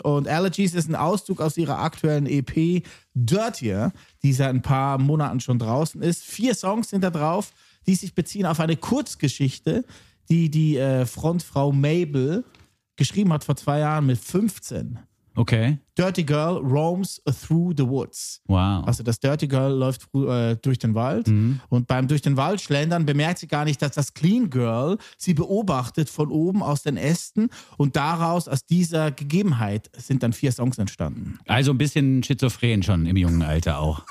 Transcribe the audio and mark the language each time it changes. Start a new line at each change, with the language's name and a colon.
German: und Allergies ist ein Auszug aus ihrer aktuellen EP Dirtier, die seit ein paar Monaten schon draußen ist. Vier Songs sind da drauf, die sich beziehen auf eine Kurzgeschichte, die die Frontfrau Mabel geschrieben hat vor 2 Jahren mit 15. Okay.
English: Dirty Girl roams through the woods. Wow.
German: Also das Dirty Girl läuft durch den Wald. Mhm. Und beim durch den Wald schlendern bemerkt sie gar nicht, dass das Clean Girl sie beobachtet von oben aus den Ästen. Und daraus, aus dieser Gegebenheit, sind dann 4 Songs entstanden. Also ein bisschen schizophren schon im jungen Alter auch.